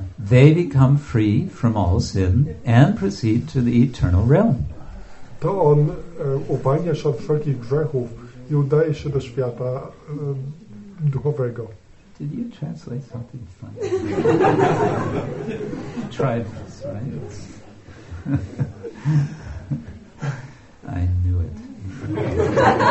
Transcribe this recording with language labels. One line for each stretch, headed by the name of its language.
English: they become free from all sin and proceed to the eternal realm.
Polish: To on uwalnia się od wszelkich grzechów i udaje się do świata duchowego.
English: Did you translate something funny? You tried this, right? I knew it.